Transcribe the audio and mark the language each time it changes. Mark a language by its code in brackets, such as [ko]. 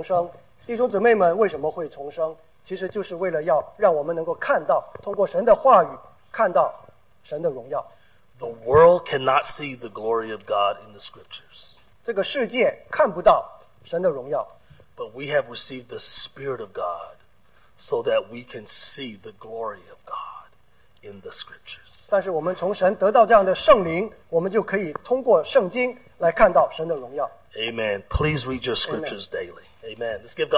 [zh] 我想最后跟大家分享这一点，就是我自己为什么会重生，弟兄姊妹们为什么会重生。其实就是为了要让我们能够看到，通过神的话语，看到神的荣耀。 [en] The world cannot see the glory of God in the scriptures. [zh] 这个世界看不到神的荣耀。 [en] But we have received the Spirit of God so that we can see the glory of God in the scriptures. [zh] 但是我们从神得到这样的圣灵，我们就可以通过圣经来看到神的荣耀。 [en] Amen. Please read your scriptures daily. Amen. Let's give God